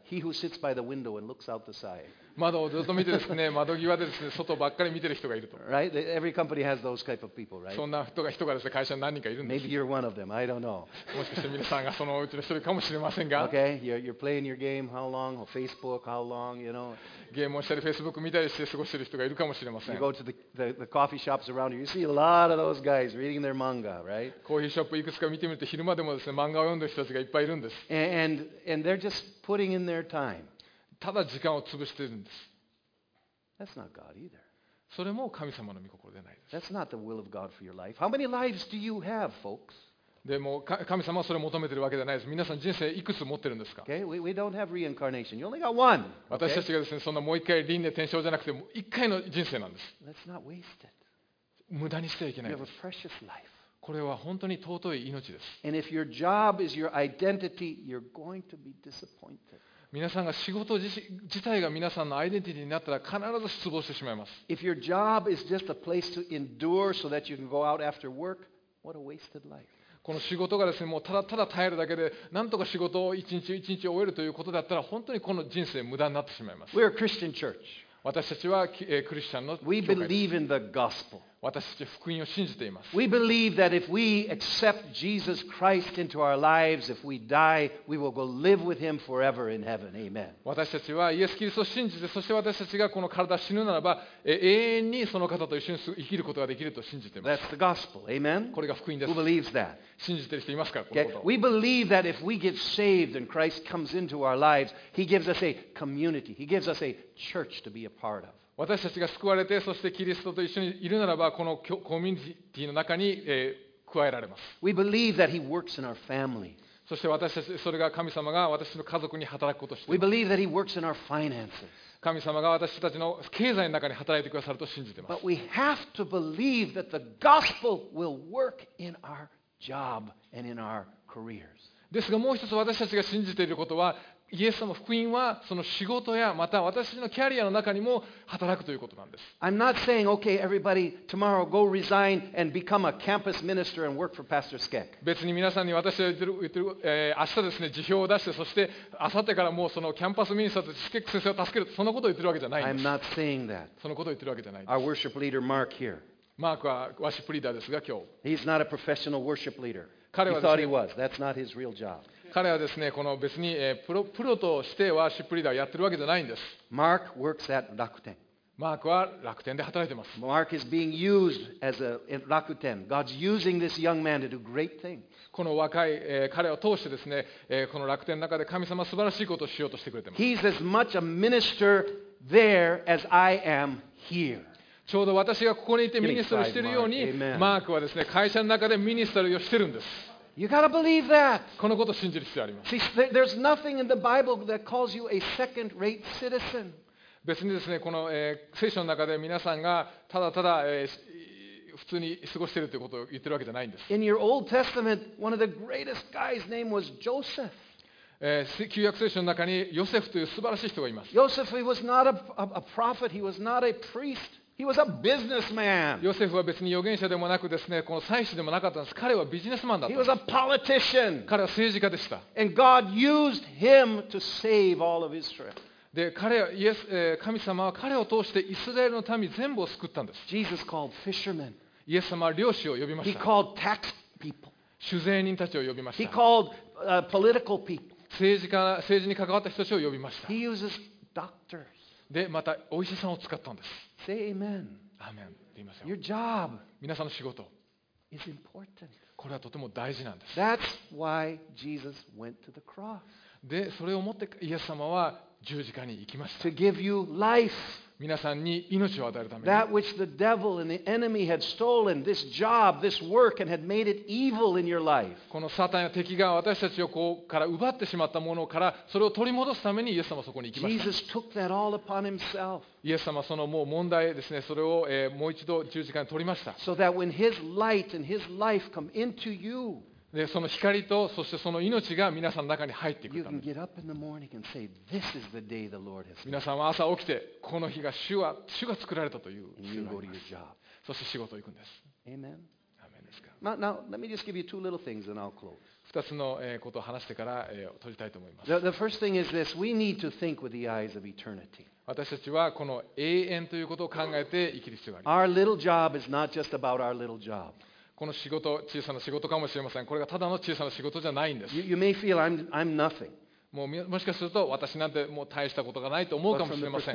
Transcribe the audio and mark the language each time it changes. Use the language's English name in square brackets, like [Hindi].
[English] He who sits by the window and looks out the side. [Japanese] 窓をずっと見てですね、窓際でですね、外ばっかり見てる人がいると。 [English] Right? Every company has those type of people, right? [Japanese] そんな人がですね、会社に何人かいるんです。 [English] Maybe you're one of them. I don't know. [Japanese] もしかして皆さんがそのうちの一人かもしれませんが。 [English] Okay, you're playing your game. How long? Facebook? How long? You know? [Japanese] ゲームをしたり、Facebook 見たりして過ごしてる人がいるかもしれません。 [English] You go to the coffee shops around you. You see a lot of those guys reading their manga, right? [Japanese] コーヒーショップいくつか見てみると、昼間でもですね、漫画を読んでる人たちがいっぱいいるんです。 [English] And they're just putting in their time. [Japanese] ただ時間を潰しているんです。 [English] That's not God either. [Japanese] それも神様の御心ではないです。 [English] That's not the will of God for your life. How many lives do you have, folks? [Japanese] でも神様はそれを求めているわけではないです。皆さん人生いくつ持ってるんですか [English] ？Okay, we don't have reincarnation. You only got one. [Japanese] 私たちがですね、そんなもう一回輪廻転生じゃなくて一回の人生なんです。 [English] Let's not waste it. [Japanese] 無駄にしてはいけない。 [English] You have a precious life. [Japanese] これは本当に尊い命です。 [English] And if your job is your identity, you're going to be disappointed. [Japanese] 皆さんが仕事 自体が皆さんのアイデンティティになったら必ず失望してしまいます。 [English] If your job is just a place to endure so that you can go out after work, what a wasted life. [Japanese] この仕事がですね、もうただただ耐えるだけで、なんとか仕事を一日一日終えるということだったら、本当にこの人生無駄になってしまいます。 [English] We are a Christian church. [Japanese] 私たちはクリスチャンの教会です。 [English] We believe in the gospel. [Japanese] 私たちは福音を信じています。 [English] We believe that if we accept Jesus Christ into our lives, if we die, we will go live with Him forever in heaven. Amen. [Japanese] 私たちはイエス・キリストを信じて、そして私たちがこの体を死ぬならば、永遠にその方と一緒に生きることができると信じています。 [English] That's the gospel. Amen. [Japanese] これが福音です。 [English] Who believes that? [Japanese] 信じている人いますか、このことを。 [English] Okay. We believe that if we get saved and Christ comes into our lives, He gives us a community. He gives us a church to be a part of. [Japanese] 私たちが救われて、そしてキリストと一緒にいるならば、このコミュニティの中に、加えられます。 [English] We believe that he works in our family. [Japanese] そして私たち、それが神様が私の家族に働くことをしています [English] 。We believe that he works in our finances. [Japanese] 神様が私たちの経済の中に働いてくださると信じています。 [English] But we have to believe that the gospel will work in our job and in our careers. [Japanese] ですがもう一つ私たちが信じていることは、イエス様の福音はその仕事やまた私のキャリアの中にも働くということなんです。 [English] I'm not saying, okay, everybody, tomorrow go resign and become a campus minister and work for Pastor Skek. [Japanese] 別に皆さんに私は言ってる、明日ですね、辞表を出して、そして明後日からもうそのキャンパスミニスターとスケック先生を助ける、そんなことを言ってるわけじゃないんです。 [English] I'm not saying that. [Japanese] そのことを言ってるわけじゃないです。 [English] Our worship leader Mark here. [Japanese] マークはワシップリーダーですが、今日。 [English] He's not a professional worship leader. [Japanese] 彼はですね、 [English] He thought he was. That's not his real job. [Japanese] 彼はですね、この別にプロとしてワーシップリーダーをやってるわけじゃないんです。 [English] Mark works at Rakuten. [Japanese] マークは楽天で働いてます。 [English] Mark is being used as a Rakuten. God's using this young man to do great things. [Japanese] この若い、彼を通してですね、この楽天の中で神様は素晴らしいことをしようとしてくれてます。 [English] He's as much a minister there as I am here. [Japanese] ちょうど私がここにいてミニストリーをしているように、マークはですね、会社の中でミニストリーをしているんです。 [English] You gotta believe that. [Japanese] このことを信じる必要があります。 [English] See, there's nothing in the Bible that calls you a second-rate citizen. [Japanese] 別にですね、この、聖書の中で皆さんがただただ、普通に過ごしているということを言ってるわけじゃないんです。 [English] In your Old Testament, one of the greatest guys' name was Joseph. [Japanese] 旧約聖書の中にヨセフという素晴らしい人がいます。 [English] Joseph, he was not a prophet. He was not a priest. He was a businessman. [Japanese] ヨセフは別に預言者でもなくですね、この祭司でもなかったんです。彼はビジネスマンだった。 [English] He was a politician. [Japanese] 彼は政治家でした。 [English] And God used him to save all of Israel. [Japanese] で、神様は彼を通してイスラエルの民全部を救ったんです。 [English] Jesus called fishermen. [Japanese] イエス様は漁師を呼びました。 [English] He called tax people. [Japanese] 主税人たちを呼びました。 [English] He called political people. [Japanese] 政治に関わった人たちを呼びました。 [English] He uses doctors. [Japanese] でまたお医者さんを使ったんです。 [English] Say amen. [Japanese] Amen. って言いますよ。 [English] Your job. [Japanese] 皆さんの仕事。 [English] Is important. [Japanese] これはとても大事なんです。 [English] That's why Jesus went to the cross. [Japanese] でそれをもってイエス様は十字架に行きました。 [English] To give you life. [Japanese] 皆さんに命を与えるために。 [English] That which the devil and the enemy had stolen, this job, this work, and had made it evil in your life. [Japanese] このサタンや敵が私たちをこうから奪ってしまったものから、それを取り戻すためにイエス様はそこに行きました。 [English] Jesus took that all upon himself. [Japanese] イエス様はそのもう問題ですね、それをもう一度十字架に取りました。 [English] So that when his light and his life come into you, [Japanese] でその光とそしてその命が皆さんの中に入っていくために、皆さんは朝起きてこの日が主が作られたという主があります。そして仕事を行くんです。アーメンですか。 [English] Now, let me just give you two little things and I'll close. [Japanese] 二つのことを話してから閉じたいと思います。 [English] The first thing is this. We need to think with the eyes of eternity. [Japanese] 私たちはこの永遠ということを考えて生きる必要があります [English] 。 Our little job is not just about our little job. [Japanese] この仕事、小さな仕事かもしれません。これがただの小さな仕事じゃないんです。 [English] You may feel I'm nothing. [Japanese] もしかすると私なんてもう大したことがないと思うかもしれません。